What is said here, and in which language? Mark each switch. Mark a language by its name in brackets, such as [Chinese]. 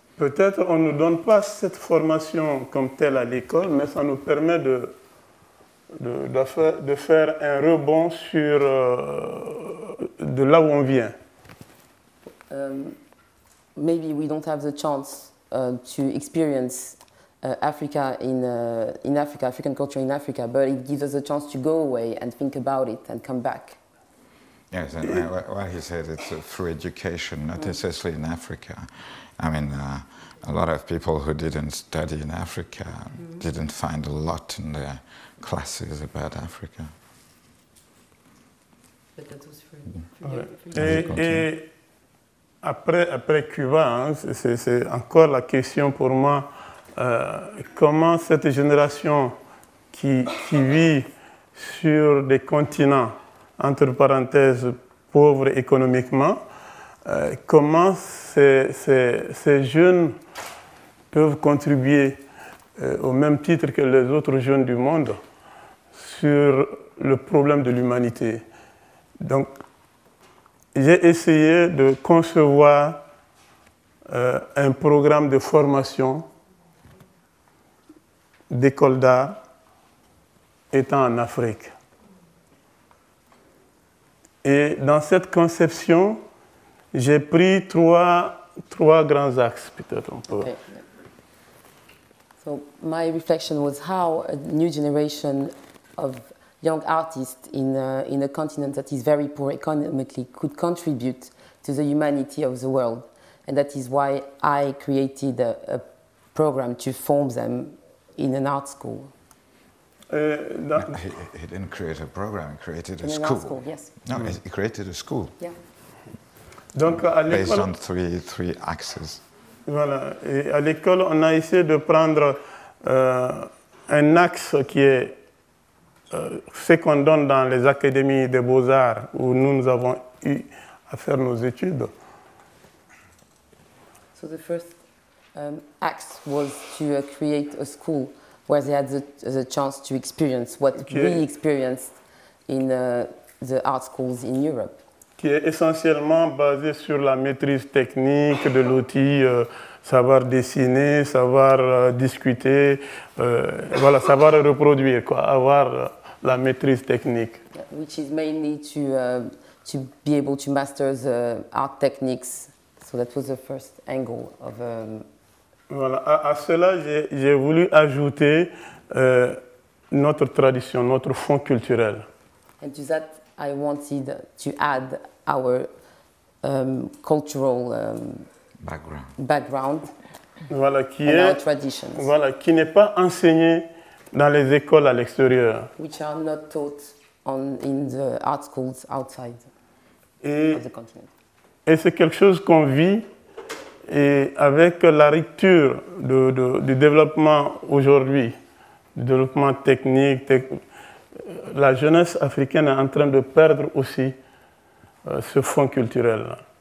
[French] Peut-être on ne nous donne pas cette formation comme telle à l'école, mais ça nous permet de faire un rebond sur de là où on vient. [English] Maybe we don't have the chance to experience Africa in Africa, African culture in Africa, but it gives us a chance to go away and think about it and come back. Yes, and what he said, it's through education, not necessarily in Africa. I mean, a lot of people who didn't study in Africa didn't find a lot in their classes about Africa. But that was [French] for après Cuba, hein, c'est encore la question pour moi, comment cette génération qui vit sur des continents, entre parenthèses, pauvres économiquement, comment ces jeunes peuvent contribuer au même titre que les autres jeunes du monde sur le problème de l'humanité. Donc, j'ai essayé de concevoir un programme de formation d'école d'art étant en Afrique. Et dans cette conception, j'ai pris trois grands axes, peut-être on peut. [English] Okay. So my reflection was how a new generation of young artists in a continent that is very poor economically could contribute to the humanity of the world. And that is why I created a program to form them in an art school. He didn't create a program, he created a school. He created a school. Yeah. [French] Donc, à l'école, [English] based on three axes. [French] Voilà. Et à l'école, on a essayé de prendre un axe qui est ce qu'on donne dans les académies des beaux-arts où nous avons eu à faire nos études. [English] So the first act was to create a school where they had the chance to experience what we experienced in the art schools in Europe. [French] Qui est essentiellement basé sur la maîtrise technique de l'outil, savoir dessiner, savoir discuter, voilà, savoir reproduire, quoi, avoir la maîtrise technique. [English] Which is mainly to be able to master the art techniques. So that was the first angle of. [French] Voilà. À cela, j'ai voulu ajouter notre tradition, notre fond culturel. [English] And to that, I wanted to add our cultural background. [French] Voilà, qui [English] and [French] est, [English] our traditions. [French] Voilà, qui n'est pas enseigné dans les écoles à l'extérieur. [English] Which are not taught in the art schools outside of the continent. [French] Et c'est quelque chose qu'on vit et avec la rupture du développement aujourd'hui, du développement technique, la jeunesse africaine est en train de perdre aussi ce fond culturel.